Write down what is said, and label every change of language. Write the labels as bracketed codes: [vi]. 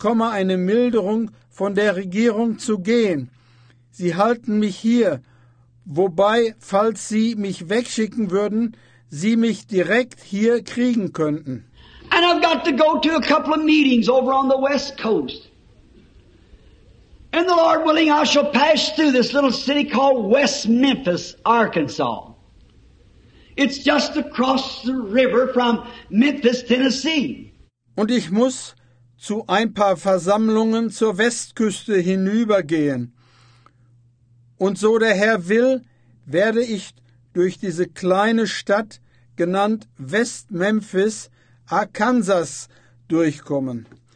[de] Eine Milderung von der Regierung zu gehen. Sie halten mich hier, wobei, falls sie mich wegschicken würden, sie mich direkt hier kriegen könnten. [en] And I've got to go to a couple of meetings over on the west coast. And the Lord willing, I shall pass through this little city called West Memphis, Arkansas. It's just across the river from Memphis, Tennessee. [de] Und ich muss zu ein paar Versammlungen zur Westküste hinübergehen. Und so der Herr will, werde ich durch diese kleine Stadt, genannt West Memphis, Arkansas, durchkommen.